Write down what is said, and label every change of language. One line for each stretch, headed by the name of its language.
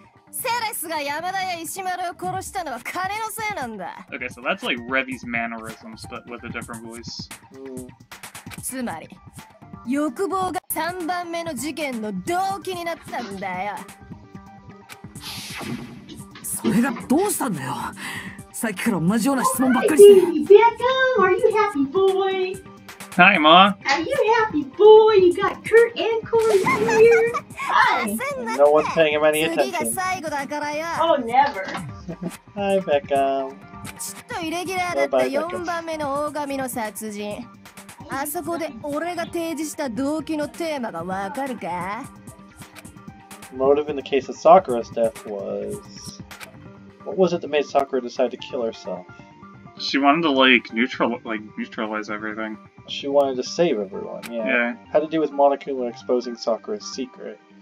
Japanese: セレスが山田や石丸を殺したのは金のせいなんだ。
English: Okay, so that's like Revy's mannerisms, but with a different voice.
Japanese: つまり、欲望が3番目の事件の動機になったんだよ。それがどうしたんだよ。さっきから同じような質問ばっかりして。
English: Oh, hi, Becca! Are you happy, boy? Hi, Ma. Are you happy, boy? You got Kurt and Corey here. Hi. No one's paying him any attention. Oh, never. Hi, Becca.
Japanese: ちょっとイレギュラーだった四番目の大神の殺人。あそこで俺が提示した動機のテーマがわかるか。
English: Motive in the case of Sakura's death was. What was it that made Sakura decide to kill herself? She wanted to neutralize everything. She wanted to save everyone, yeah. Yeah. Had to do with Monokuma exposing Sakura's secret.